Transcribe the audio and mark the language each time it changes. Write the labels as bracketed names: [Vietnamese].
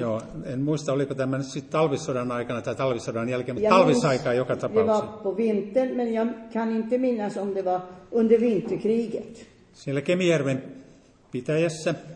[Finnish] Joo, en muista, oliko tämä nyt sitten talvisodan aikana tai talvisodan jälkeen, mutta talvisaikaa joka tapauksessa. [Swedish] Det var på vintern, men jag kan inte minnas om det var under vinterkriget. [Finnish] Siellä Kemijärven pitäjässä.